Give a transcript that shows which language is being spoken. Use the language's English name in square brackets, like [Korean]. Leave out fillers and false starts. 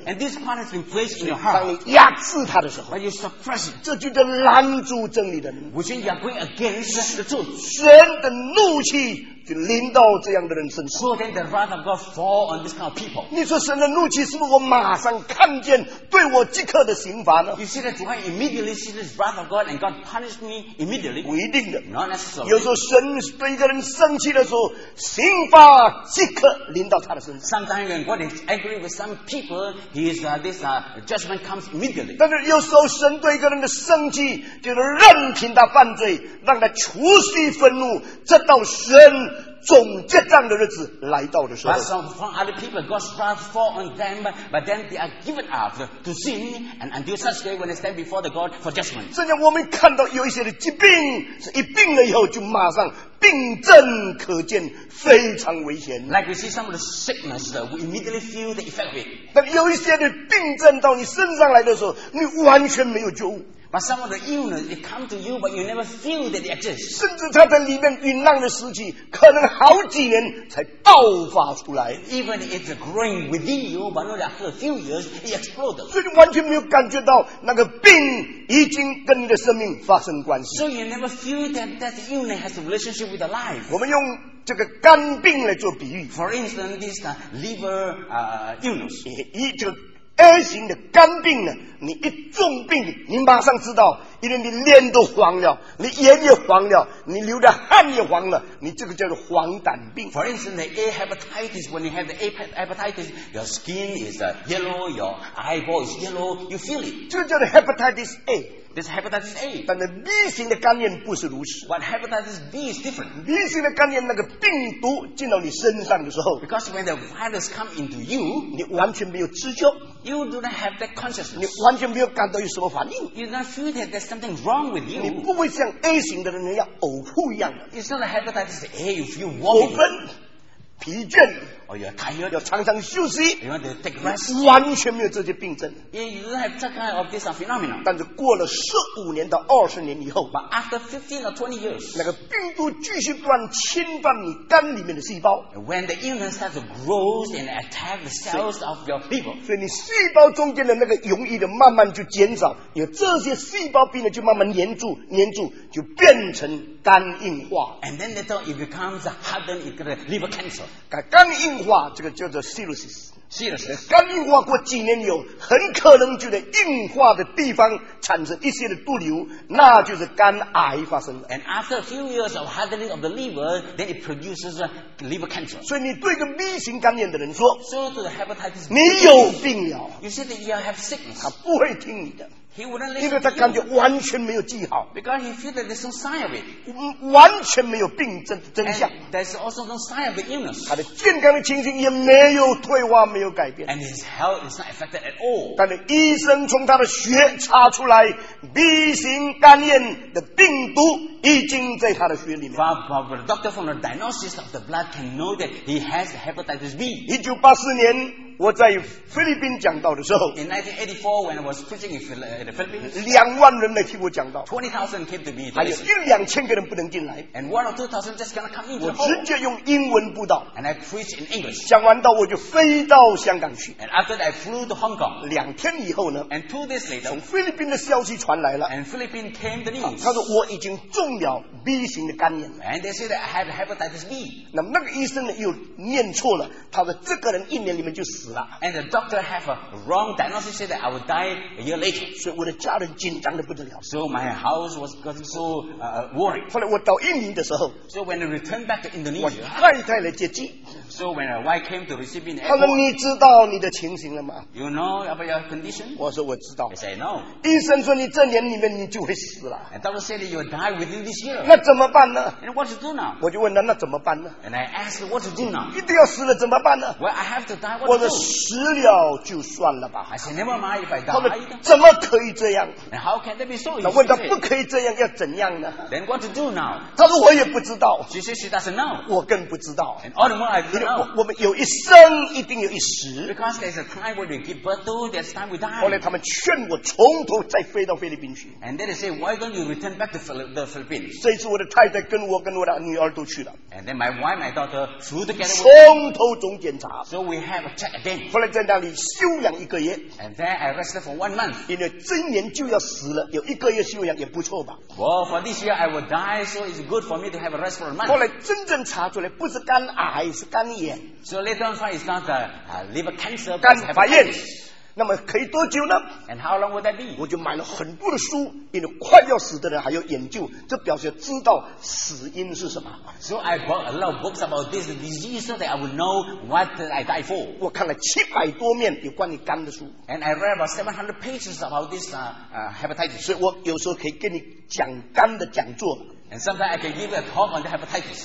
[English] And this part has been placed in your heart [Chinese] 当你压制他的时候 [English] When you suppress it [Chinese] 这就叫拦住真理的人 [English] Which means you are going against the truth [Chinese] 神的怒气就临到这样的人身上 [English] So then the wrath of God fall on this kind of people [Chinese] 你说神的怒气是不是我马上看见对我即刻的刑罚呢 [English] You see that you immediately see this wrath of God and God punished me immediately [Chinese] 不一定的 [English] Not necessarily [Chinese] 有时候神对一个人生气的时候刑罚即刻临到他的身上 [English] Sometimes when God is angry with some people his, this judgment comes immediately [Chinese] 但是有时候神对一个人的生气就是任凭他犯罪让他处息愤怒直到神总结账的日子来到的时候 [English] But some from other people God's wrath fall on them but then they are given up to sin and until such day when they stand before the God for judgment [Chinese] 甚至我们看到有一些的疾病是一病了以后就马上病症可见非常危险 [English] Like we see some of the sickness we immediately feel the effect of it [Chinese] 但有一些的病症到你身上来的时候你完全没有救 [English] But some of the illness, they come to you, but you never feel that they exist. [Chinese] 甚至他在里面酝酿的时期，可能好几年才爆发出来。 [English] Even it's growing within you, but only after a few years, it explodes. [Chinese] 所以完全没有感觉到那个病已经跟你的生命发生关系。 [English] So you never feel that the illness has a relationship with the life. [Chinese] 我们用这个肝病来做比喻。 [English] For instance, this liver illness. [Chinese] A 型的肝病呢，你一重病，你马上知道，因为你脸都黄了，你眼也黄了，你流的汗也黄了，你这个叫做黄疸病。 [English] For instance, the A hepatitis, when you have the A hepatitis, your skin is yellow, your eyeball is yellow, you feel it. [Chinese] 这个叫做 hepatitis A。 [English] This hepatitis A. [Chinese] 但是 B 型的肝炎不是如此。 [English] But hepatitis B is different. [Chinese] B 型的肝炎那个病毒进到你身上的时候 [English] ，because when the virus come into you, [Chinese] 你完全没有知觉。 [English] You do not have that consciousness. [Chinese] 你完全没有感到有什么反应。 [English] You do not feel that there's something wrong with you. [Chinese] 你不会像 A 型的人那样呕吐一样的。 [English] It's not the hepatitis A. You feel vomit. [Chinese] 疲倦 [English] or you're tired, [Chinese] 要常常休息 [English] you want to take rest, [Chinese] 完全没有这些病症 [English] you don't have that kind of this phenomenon. [Chinese] 但是过了15年到20年以后 [English] but after 15 or 20 years [Chinese] 那个病毒继续不断侵犯你肝里面的细胞 [English] when the illness starts to grow and attack the cells of your people [Chinese] 所以你细胞中间的那个容易的慢慢就减少有这些细胞病呢就慢慢粘住就变成肝硬化 [English] and then later it becomes hardened, it's got a liver cancer [Chinese] 肝硬化这个叫做 cirrhosis 肝硬化过几年以后很可能就在硬化的地方产生一些的毒瘤那就是肝癌发生了 [English] and after a few years of hardening of the liver then it produces a liver cancer [Chinese] 所以你对一个 B 型肝炎的人说 [English] so to the hepatitis B, [Chinese] 你有病了 [English] you said that you have sickness [Chinese] 他不会听你的 [English] He wouldn't listen [Chinese] 因为他感觉完全没有记号 [English] because he feels that there's no sign of it [Chinese] 完全没有病症真相 [English] and there's also no sign of the illness [Chinese] 他的健康的情形也没有退化没有改变 [English] and his health is not affected at all [Chinese] 但是医生从他的血查出来 B 型肝炎的病毒已经在他的血里面 [English] but the doctor from the diagnosis of the blood can know that he has hepatitis B [Chinese] 1984年我在菲律宾讲道的时候 [English] In 1984, when I was preaching in the Philippines, [Chinese] 两万人来听我讲道 [English] 20,000 came to me [Chinese] 还有一两千个人不能进来 [English] And 1,000 or 2,000 just cannot come into the hall [Chinese] 我直接用英文布道 [English] And I preach in English [Chinese] 讲完道我就飞到香港去 [English] And after that, I flew to Hong Kong [Chinese] 两天以后呢 [English] And 2 days later [Chinese] 从菲律宾的消息传来了 [English] And Philippines came the news [Chinese] 他说我已经中了 B 型的肝炎 [English] And they said that I had hepatitis B [Chinese] 那么那个医生呢又念错了他说这个人一年里面就死 [English] And the doctor have a wrong diagnosis said that I would die a year later. [Chinese] 所以我的家人紧张得不得了。 [English] So my house was getting so worried. [Chinese] 后来我到印尼的时候 [English] So when I returned back to Indonesia, [Chinese] 我太太来接机。 [English] So when my wife came to receive me in the [Chinese] airport, 他说你知道你的情形了吗 [English] You know about your condition? [Chinese] 我说我知道。 [English] He said no. [Chinese] 医生说你这年里面你就会死了。 [English] And doctor said that you would die within this year. [Chinese] 那怎么办呢 [English] And what to do now? [Chinese] 我就问他那怎么办呢 [English] And I asked what to do now? [Chinese] 一定要死了怎么办呢 [English] Well, I have to die, what to do? [Chinese] 死了就算了吧 [English] I said, never mind if I die [Chinese] 怎么可以这样 [English] And how can that be so? [Chinese] 那问他不可以这样要怎样呢 [English] Then what to do now? [Chinese] 他说我也不知道 [English] She said she doesn't know [Chinese] 我更不知道 [English] And all the more I don't know [Chinese] 我们有一生一定有一时 [English] Because there's a time when we give birth to There's time we die [Chinese] 后来他们劝我从头再飞到菲律宾去 [English] And then they say Why don't you return back to the Philippines? [Chinese] 这一次我的太太跟我的女儿都去了 [English] And then my wife, my daughter flew together [Chinese] 从头总检查 [English] So we have a check again [Chinese] 后来在那里休养一个月 [English] And then I rested for 1 month [Chinese] 因为今年就要死了有一个月休养也不错吧 [English] Well, for this year I will die So it's good for me to have a rest for a month [Chinese] 后来真正查出来不是肝癌是肝炎 [English] So later on it's not the liver cancer [Chinese] 肝发炎那么可以多久呢 [English] And how long would that be? [Chinese] 我就买了很多的书因为快要死的人还要研究这表示知道死因是什么 [English] So I bought a lot of books about this disease so that I would know what I die for [Chinese] 我看了700多面有关于肝的书 [English] And I read about 700 pages about this hepatitis [Chinese] 所以我有时候可以跟你讲肝的讲座 [English] And sometimes I can give you a talk on the hepatitis